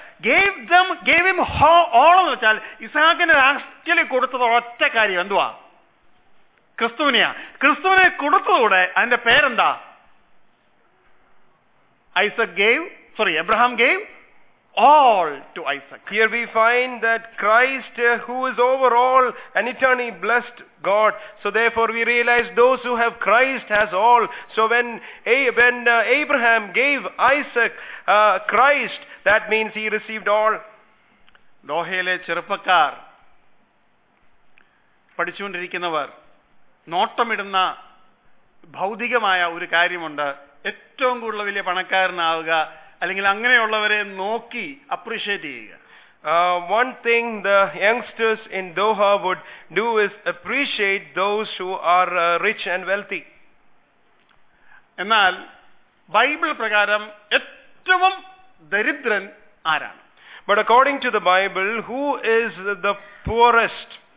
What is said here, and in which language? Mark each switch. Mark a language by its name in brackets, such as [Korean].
[English] gave him whole [Malayalam] എന്ന് വെച്ചാൽ ഇസഹാക്കിന് ആക്ച്വലി കൊടുത്തത് ഒറ്റ കാര്യം എന്തുവാ? ക്രിസ്തുവിനെയാ. ക്രിസ്തുവിനെ കൊടുത്തതുകൂടെ അതിന്റെ പേരെന്താ? [English] Isaac gave, sorry, Abraham gave all to Isaac. Here we find that Christ, who is over all and eternally blessed God, so therefore we realize those who have Christ has all. So when Abraham gave Isaac Christ, that means he received all. [Malayalam] ദോഹയിലെ ചെറുപ്പക്കാർ, പഠിച്ചുകൊണ്ടിരിക്കുന്നവർ നോട്ടമിടുന്ന ഭൗതികമായ ഒരു കാര്യമുണ്ട്, ഏറ്റവും കൂടുതൽ വലിയ പണക്കാരനാവുക അല്ലെങ്കിൽ അങ്ങനെയുള്ളവരെ നോക്കി അപ്രീഷിയേറ്റ് ചെയ്യുക. [English] One thing the youngsters in Doha would do is appreciate those who are rich and wealthy. [Malayalam] എന്നാൽ ബൈബിൾ പ്രകാരം ഏറ്റവും ദരിദ്രൻ ആരാണ്? [English] But according to the Bible, who is the poorest?